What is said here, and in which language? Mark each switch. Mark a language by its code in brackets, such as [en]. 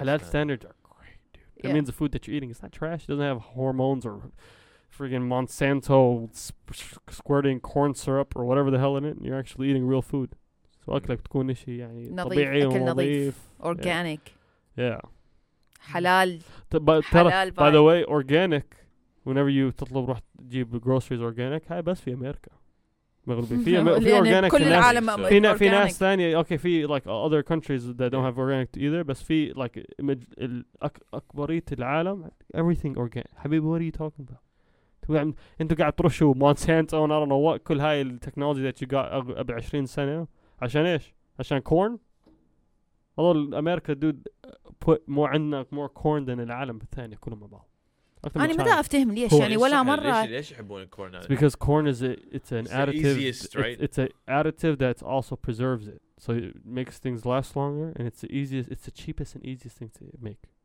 [en] halal standards are great dude that means the food that you're eating is not trash it doesn't have hormones or freaking Monsanto squirting corn syrup or whatever the hell in it and you're actually eating real food so [ar] أكلك تكون إشي يعني طبيعي ونظيف [en] organic yeah [ar] حلال حلال [en] by the way organic whenever you [ar] تطلب روح تجيب [en] groceries organic [ar] هاي بس في أمريكا مغربي في في organic كل العالم في ناس في ناس ثانية [en] okay في like other countries that don't have organic either [ar] بس في [en] like [ar] أكبرية العالم [en] everything organic [ar] حبيبي [en] what are you talking about [ar] أنتوا قاعد ترشوا [en] Monsanto and I don't know what [ar] كل هاي التكنولوجيا [en] that you got [ar] قبل 20 سنة عشان إيش عشان [en] corn although America dude put more [ar] عندنا [en] more corn than [ar] العالم الثاني كلهم مع بعض. أنا ما أفهم ليش يعني ولا مرة. ليش يحبون الكورن؟ [en] It's because corn is it's an additive. It's an additive that also preserves it, so it makes things last longer, and it's the easiest, it's the cheapest and easiest thing to make.